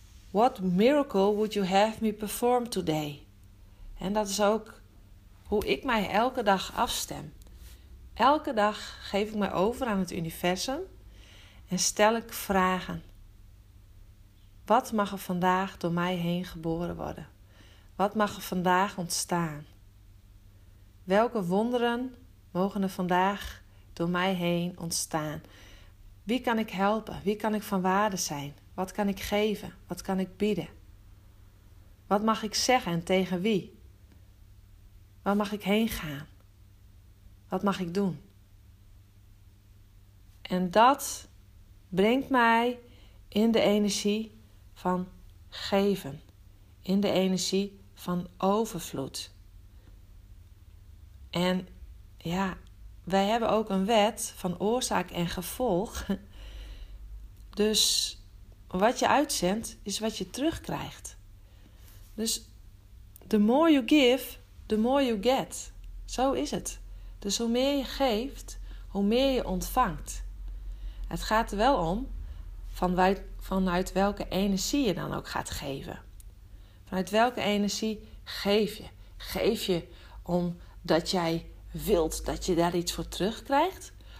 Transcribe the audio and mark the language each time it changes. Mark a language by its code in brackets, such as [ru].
[en] What miracle would you have me perform today? [nl] En dat is ook hoe ik mij elke dag afstem. Elke dag geef ik mij over aan het universum en stel ik vragen. Wat mag er vandaag door mij heen geboren worden? Wat mag er vandaag ontstaan? Welke wonderen mogen er vandaag door mij heen ontstaan? Wie kan ik helpen? Wie kan ik van waarde zijn? Wat kan ik geven? Wat kan ik bieden? Wat mag ik zeggen en tegen wie? Waar mag ik heen gaan? Wat mag ik doen? En dat brengt mij in de energie van geven. In de energie van overvloed. En ja, wij hebben ook een wet van oorzaak en gevolg. Dus wat je uitzendt, is wat je terugkrijgt. Dus [en] the more you give, the more you get. [nl] Zo is het. Dus hoe meer je geeft, hoe meer je ontvangt. Het gaat er wel om vanuit welke energie je dan ook gaat geven. Vanuit welke energie geef je? Geef je omdat jij wilt dat je daar iets voor terugkrijgt?